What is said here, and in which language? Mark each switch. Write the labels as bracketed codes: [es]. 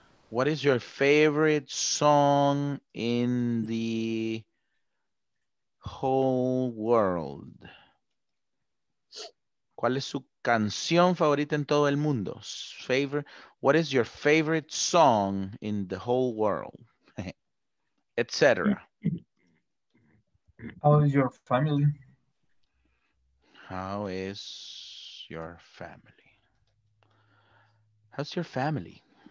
[en] What is your favorite song in the whole world? [es] ¿Cuál es su canción favorita en todo el mundo? [en] What is your favorite song in the whole world? Etc. How is your family? How is your family? How's your family?